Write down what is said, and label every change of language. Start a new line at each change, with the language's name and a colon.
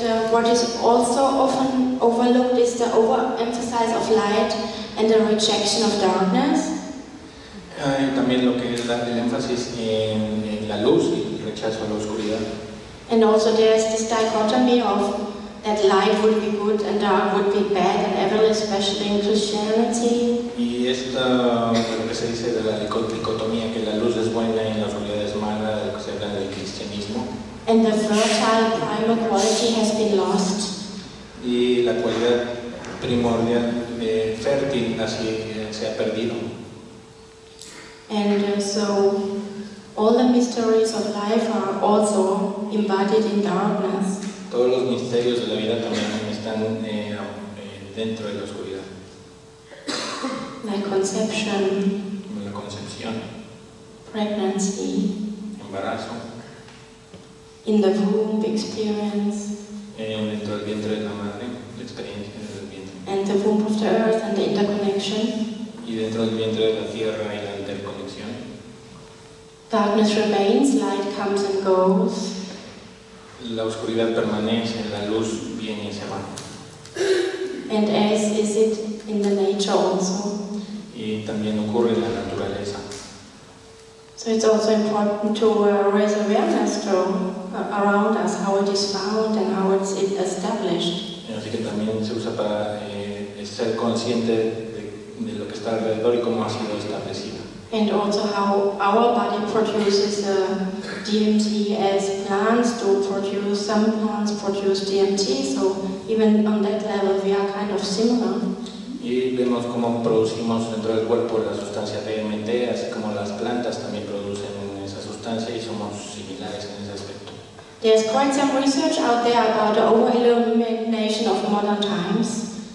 English: What is also often overlooked is the overemphasis of light and the rejection of darkness.
Spanish: También lo que es el énfasis en la luz y el rechazo a la oscuridad.
English: And also there is this dichotomy of that light would be good and dark would be bad and evil, especially in Christianity.
Spanish: Y esta lo que se dice de la dicotomía que la luz es buena y la oscuridad es mala, lo que se habla del cristianismo.
English: And the fertile primal quality has been lost.
Spanish: Y la cualidad primordial fértil así se ha perdido.
English: And so all the mysteries of life are also embodied in darkness.
Spanish: Todos los misterios de la vida también están dentro de la oscuridad.
English: Like conception.
Spanish: La concepción.
English: Pregnancy.
Spanish: Embarazo.
English: In the womb experience.
Spanish: Dentro del vientre de la madre, la experiencia del vientre.
English: And the womb of the earth and the interconnection.
Spanish: Y dentro del vientre de la tierra y la interconexión.
English: Darkness remains, light comes and goes.
Spanish: La oscuridad permanece, la luz viene y se va.
English: And as is it in the nature also.
Spanish: Y también ocurre en la naturaleza.
English: So it's also important to raise awareness to around us, how it is found and how it's established.
Spanish: Así que también se usa para ser consciente de lo que está alrededor y cómo ha sido establecido.
English: And also how our body produces DMT as plants do produce, some plants produce DMT, so even on that level we are kind of similar.
Spanish: Y vemos cómo producimos dentro del cuerpo la sustancia DMT, así como las plantas también producen esa sustancia y somos similares en ese aspecto.
English: There's quite some research out there about the over-illumination of modern times.